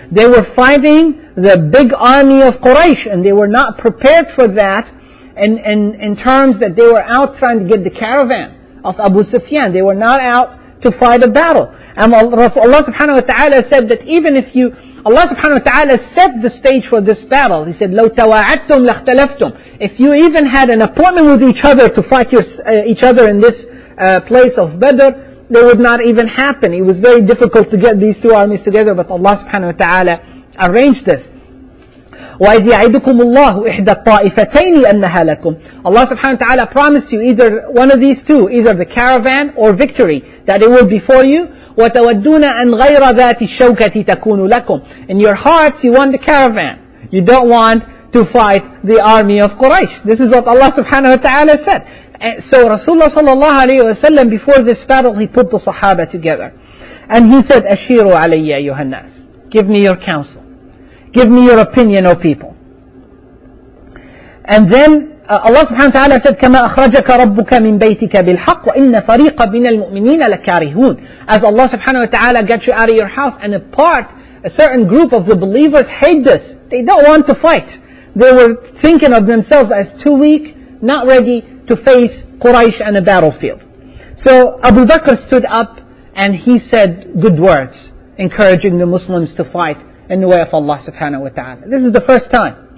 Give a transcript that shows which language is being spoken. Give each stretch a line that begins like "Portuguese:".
English: They were fighting the big army of Quraysh and they were not prepared for that in terms that they were out trying to get the caravan of Abu Sufyan. They were not out to fight a battle. And Allah subhanahu wa ta'ala said that even if you... Allah subhanahu wa ta'ala set the stage for this battle. He said,
Arabic: لَوْ تَوَاعَدْتُمْ لَاخْتَلَفْتُمْ.
English: If you even had an appointment with each other to fight each other in this place of Badr, that would not even happen. It was very difficult to get these two armies together, but Allah subhanahu wa ta'ala arranged this.
Arabic: وَإِذْ يَعِدُكُمُ اللَّهُ إِحْدَى الطَّائِفَتَيْنِ أَنَّهَا لَكُمْ.
English: Allah subhanahu wa ta'ala promised you either one of these two, either the caravan or victory, that it will be for you.
Arabic: وَتَوَدُّونَ أَنْ غَيْرَ ذَاتِ الشَّوْكَةِ تَكُونُ لَكُمْ.
English: In your hearts, you want the caravan. You don't want to fight the army of Quraysh. This is what Allah subhanahu wa ta'ala said. And so Rasulullah sallallahu alayhi wa sallam, before this battle, he put the Sahaba together. And he said,
Arabic: أَشِيرُوا عَلَيَّ أَيُّهَا النَّاسِ.
English: Give me your counsel. Give me your opinion, O people. And then Allah subhanahu wa ta'ala said,
Arabic: كَمَا أَخْرَجَكَ رَبُّكَ مِنْ بَيْتِكَ بِالْحَقِّ وَإِنَّ فَرِيقًا مِنَ الْمُؤْمِنِينَ لَكَارِهُونَ.
English: As Allah subhanahu wa ta'ala got you out of your house, and a certain group of the believers hate this. They don't want to fight. They were thinking of themselves as too weak, not ready to face Quraysh and a battlefield. So Abu Bakr stood up and he said good words, encouraging the Muslims to fight in the way of Allah subhanahu wa ta'ala. This is the first time.